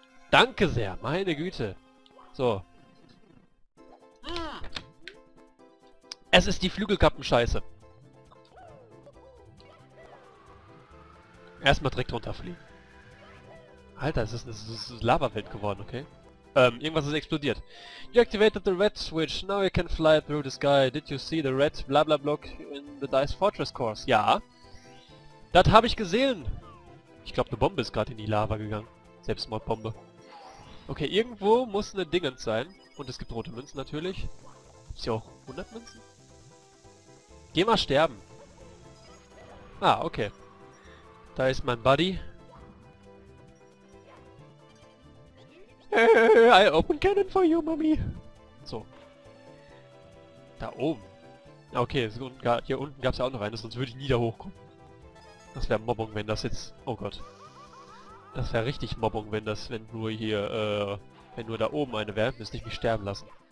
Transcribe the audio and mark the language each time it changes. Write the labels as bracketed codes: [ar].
[de] Danke sehr, meine Güte. So. Es ist die Flügelkappenscheiße. Erstmal direkt runterfliegen. Alter, es ist eine Lava-Welt geworden, okay? Irgendwas ist explodiert. [en] You activated the red switch. Now you can fly through the sky. Did you see the red blablabla block in the Dice Fortress Course? [de] Ja. Das habe ich gesehen. Ich glaube, eine Bombe ist gerade in die Lava gegangen. Selbstmordbombe. Okay, irgendwo muss eine Dingens sein. Und es gibt rote Münzen natürlich. Ist hier auch 100 Münzen? Geh mal sterben. Ah, okay. Da ist mein Buddy. [en] I open cannon for you, Mommy. [de] So. Da oben. Okay, so, hier unten gab es ja auch noch eines, sonst würde ich nie da hochkommen. Das wäre Mobbung, wenn das jetzt... Oh Gott. Das wäre richtig Mobbung, wenn das, wenn nur hier, wenn nur da oben eine wäre, müsste ich mich sterben lassen.